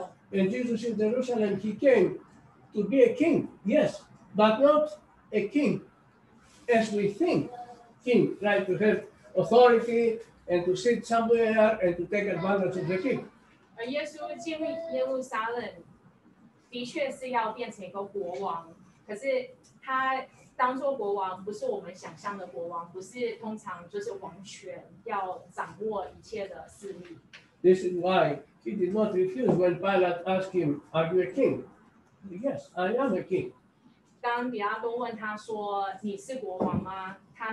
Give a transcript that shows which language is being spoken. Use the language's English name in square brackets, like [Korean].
[English] And Jesus in Jerusalem, he came to be a king, yes, but not a king as we think. King, right, to have authority and to sit somewhere and to take advantage of the king. [Chinese] 而耶稣进入耶路撒冷，的确是要变成一个国王。可是他当做国王，不是我们想象的国王，不是通常就是王权要掌握一切的势力。 [English] This is why he did not refuse when Pilate asked him, "Are you a king?" Yes, I am a king. [Chinese] 当比拉多问他说：“你是国王吗？”